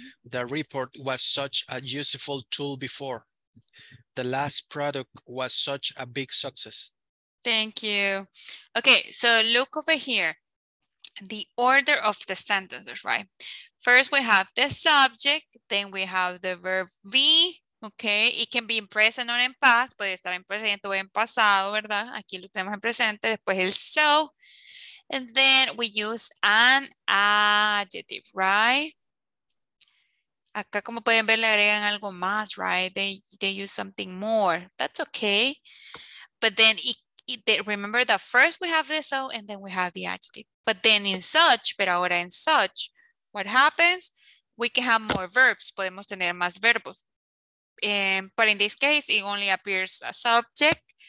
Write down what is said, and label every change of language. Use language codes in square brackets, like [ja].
[en] The report was such a useful tool before. The last product was such a big success. Thank you. Okay, so look over here. The order of the sentences, right? First, we have the subject, then we have the verb be, okay? It can be in present or in past, [es] puede estar en presente o en pasado, ¿verdad? Aquí lo tenemos en presente, después el so, [en] and then we use an adjective, right? [es] Acá, como pueden ver, le agregan algo más, right? [en] They use something more, that's okay. But then, remember that first we have the so, and then we have the adjective. But then in such, [es] pero ahora en such, [en] what happens? We can have more verbs. [es] Podemos tener más verbos. [en] But in this case, it only appears a subject.